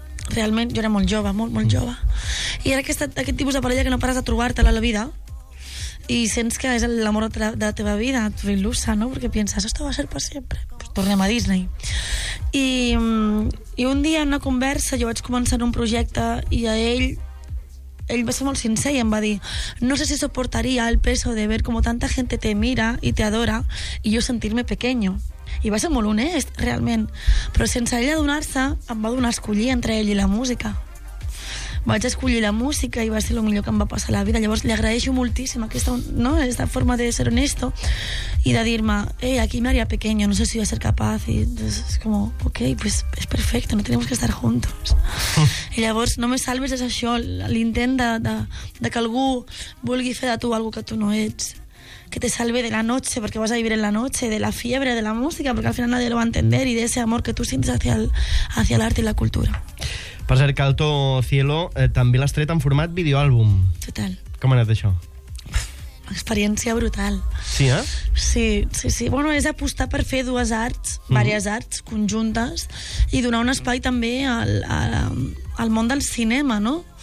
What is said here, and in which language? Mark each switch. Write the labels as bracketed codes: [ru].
[ca] Realment, jo era molt jove, molt jove. I era aquest tipus de parella que no pares de trobar-te-la a la vida. [es] y sientes que es el amor de la teva vida, tu ilusa, ¿no? Porque piensas, esto va a ser para siempre. Pues [ca] tornem a Disney. [es] Y un día en una conversa yo [ca] vaig començar un projecte [es] y [ca] a ell va ser molt sincer i em va dir, [es] no sé si soportaría el peso de ver como tanta gente te mira y te adora y yo sentirme pequeño. [ca] I va ser molt honest, realment. Però sense ell adonar-se, em va donar a escollir entre ell i la música. Vaig escollir la música i va ser el millor que em va passar a la vida. Llavors li agraeixo moltíssim aquesta, no?, aquesta forma de ser honesto i de dir-me, ei, [es] aquí me haría pequeño, no sé si voy a ser capaz. [ca] I és com, [es] ok, pues es perfecto, no tenemos que estar juntos. [ca] I llavors no me salves és això, l'intent de que algú vulgui fer de tu algo que tu no ets. [es] Que te salve de la noche, porque vas a vivir en la noche, de la fiebre, de la música, porque al final nadie lo va a entender, y de ese amor que tú sientes hacia el arte y la cultura. [ca] Per cert, que Alto Cielo també l'has tret en format videoàlbum. Total. Com ha anat això? Una experiència brutal. Sí, eh? Sí, sí, sí. Bueno, és apostar per fer dues arts, diverses arts conjuntes, i donar un espai també al món del cinema, no?